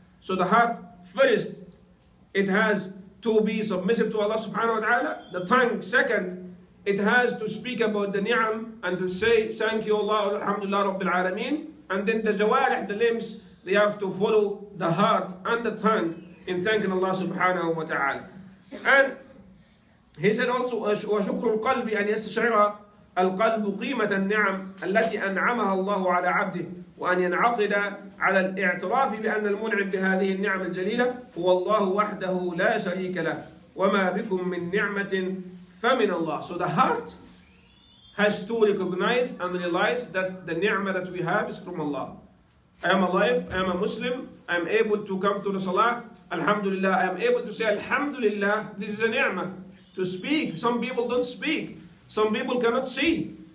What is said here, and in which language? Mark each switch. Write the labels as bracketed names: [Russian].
[English] So the heart, first, it has to be submissive to Allah subhanahu wa ta'ala. The tongue, second, it has to speak about the ni'am and to say, thank you Allah, alhamdulillah, rabbil alameen. And then the jawarih, the limbs, they have to follow the heart and the tongue in thanking Allah subhanahu wa ta'ala. And he said also, [Arabic] وَشُكْرُ الْقَلْبِ أَنْ يَسْتَشْعِرَ القلب قيمة النعم التي أنعمها الله على عبده وأن ينعقد على الاعتراف بأن المنعم بهذه النعم الجليلة هو الله وحده لا شريك له وما بكم من نعمة فمن الله. [English] So the heart has to recognize and realize that the ni'mah that we have is from Allah. I am alive, I am a Muslim, I am able to come to the salah, alhamdulillah, I am able to say alhamdulillah, this is a ni'mah. To speak, some people don't speak. Some people cannot see.